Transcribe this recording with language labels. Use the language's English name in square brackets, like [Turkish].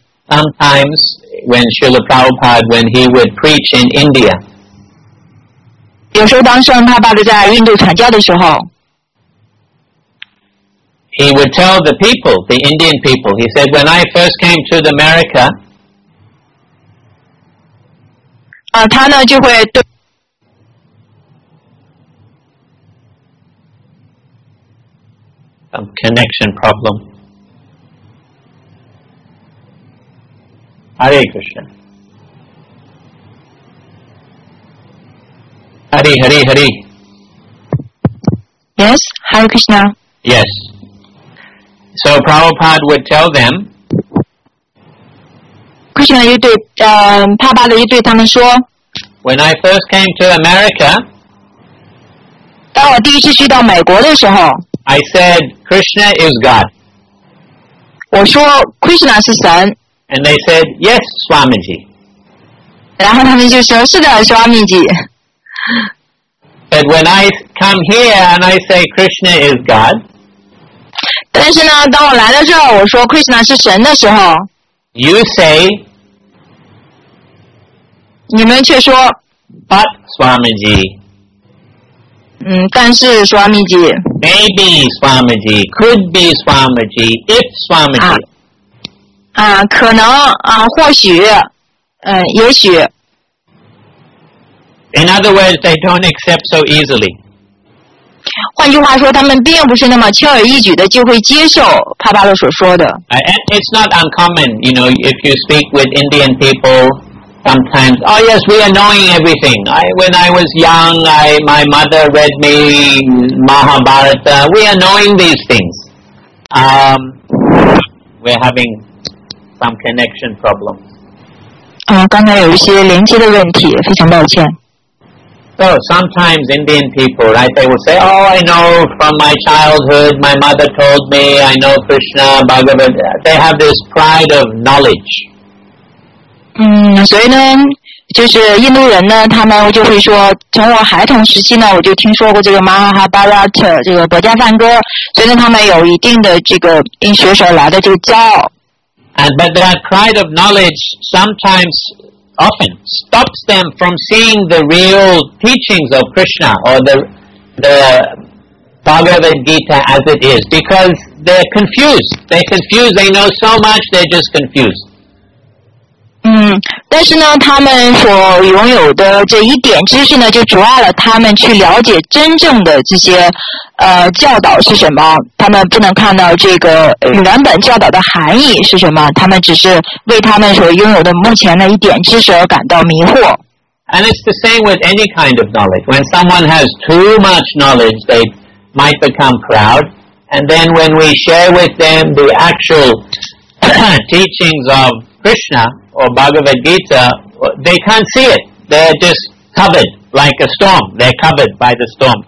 [English] Sometimes when Srila Prabhupada, when he would preach in India, [Chinese] 有时候当圣帕巴德在印度传教的时候， [English] he would tell the people, the Indian people, he said, when I first came to America, [Chinese] 他呢就会对 [English] connection problem. Hare Krishna. Hare, Hare, Hare. Yes, Hare Krishna. Yes. So Prabhupada would tell them, [Chinese] Krishna, 又对帕巴的又对他们说， [English] when I first came to America, [Chinese] 当我第一次去到美国的时候， [English] I said, Krishna is God. [Chinese] 我说 Krishna 是神。 [English] And they said, yes, Swamiji. [Chinese] 然后他们就说是的 Swamiji. [English] But when I come here and I say Krishna is God, [Chinese] 但是呢当我来到这儿我说 Krishna 是神的时候， [English] you say, [Chinese] 你们却说， [English] but Swamiji. [Chinese] 但是 Swamiji [English] maybe Swamiji could be Swamiji if Swamiji [Chinese] 可能或许也许。 [English] In other words, they don't accept so easily. [Chinese] 换句话说他们并不是那么轻而易举的就会接受帕巴勒所说的。 [English] It's not uncommon, you know, if you speak with Indian peopleSometimes, oh yes, we are knowing everything. When I was young, my mother read me Mahabharata. We are knowing these things. We're having some connection problems. [Chinese] 刚才有一些连接的问题，非常抱歉。 [English] So sometimes Indian people, right, they will say, oh, I know from my childhood, my mother told me, I know Krishna, Bhagavad. They have this pride of knowledge. [Chinese] 所以呢就是印度人呢他们就会说从我孩童时期呢我就听说过这个马哈巴拉特这个博加梵歌，所以呢他们有一定的这个因学舍来的这个骄傲。 [English] But that pride of knowledge sometimes often stops them from seeing the real teachings of Krishna or the Bhagavad Gita as it is, because they're confused. They're confused. They know so much, they're just confused. [Chinese] 但是呢他们所拥有的这一点知识呢就阻碍了他们去了解真正的这些教导是什么，他们不能看到这个原本教导的含义是什么，他们只是为他们所拥有的目前的一点知识而感到迷惑。 [English] And it's the same with any kind of knowledge. When someone has too much knowledge, they might become proud. And then when we share with them the actual teachings of Krishna,or Bhagavad Gita, they can't see it. They're just covered like a storm. They're covered by the storm.